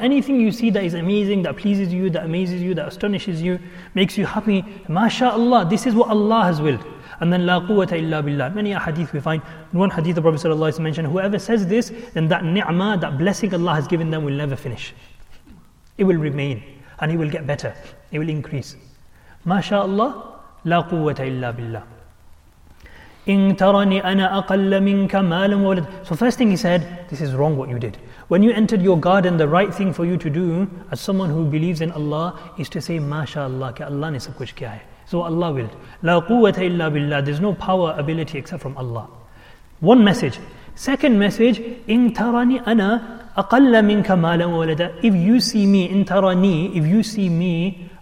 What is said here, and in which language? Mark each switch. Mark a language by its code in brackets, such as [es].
[en] Anything you see that is amazing, that pleases you, that amazes you, that astonishes you, makes you happy, MashaAllah, this is what Allah has willed. [ar] And then, لا قوة إلا بالله. [en] Many hadith we find. In one hadith, the Prophet Sallallahu Alaihi Wasallam mentioned, whoever says this, then that ni'mah, that blessing Allah has given them, will never finish. It will remain. And it will get better. It will increase. [ar] MashaAllah, لا قوة إلا بالله. إِن تَرَنِي أَنَا أَقَلَّ مِنْكَ مَالًا وَوَلَدًا. [en] So first thing he said, this is wrong what you did. When you entered your garden, the right thing for you to do as someone who believes in Allah is to say, MashaAllah, [ur] کہ اللہ نے سب کچھ کیا ہے. [en] So what Allah willed. [ar] La quwwata illa billah. [en] There's no power, ability except from Allah. One message. Second message, [ar] in tarani ana aqalla minka malan walada. [en] If you see me, in tarani, if you see me,